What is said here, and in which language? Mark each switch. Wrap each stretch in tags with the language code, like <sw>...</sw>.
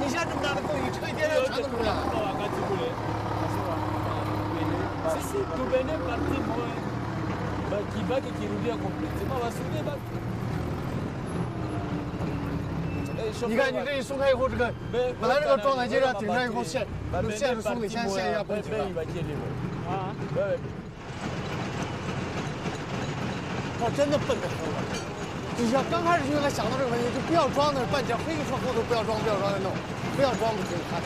<zh>你这都没有顶住了吗？这东西吗？你先把这焊了以后再焊这个再往里顶一下子。这整个不行，我跟你说，这说的意思，它的力量是这样顶着它的力量，你这样靠哪有力量啊？把那个后面那部分卸下来，卸下来之后把门贴紧以后把它焊死。你现在这么大的功夫，车间全都出来了。</zh> <fr>C'est tout bien parti, moi. Je ne sais pas si je vais compléter.</fr> <zh>你看你这一松开以后，这个本来这个状态接着顶上以后线，这个线是松的，现在线一下绷紧了。啊，他真的笨得很。你像刚开始就应该想到这个问题，就不要装那半截，黑个车后头不要装，不要装再弄，不要装不行。</zh>